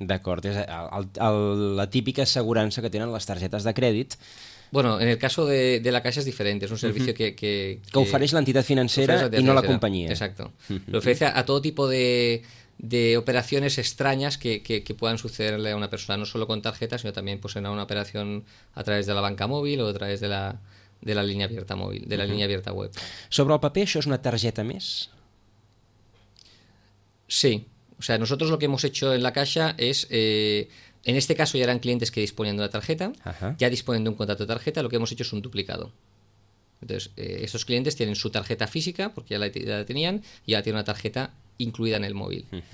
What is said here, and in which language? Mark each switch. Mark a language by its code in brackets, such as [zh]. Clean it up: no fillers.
[ca] D'acord, és la típica assegurança que tenen les targetes de crèdit. [es] Bueno, en el caso de la Caixa és diferent, és un servicio que [ca] ofereix l'entitat financera i no la companyia. [es] Exacto, lo ofrece a todo tipo de operaciones extrañas que puedan sucederle a una persona, no solo con tarjetas, sino también pues, en una operación a través de la banca móvil o a través de la línea abierta móvil, de la línea abierta web. [ca] Sobre el paper, això és una targeta més? [es] Sí, o sea, nosotros lo que hemos hecho en la Caixa es, en este caso ya eran clientes que disponían de una tarjeta, ya disponen de un contrato de tarjeta, lo que hemos hecho es un duplicado. Entonces, estos clientes tienen su tarjeta física, porque ya la tenían, y ahora tienen una tarjeta incluida en el móvil.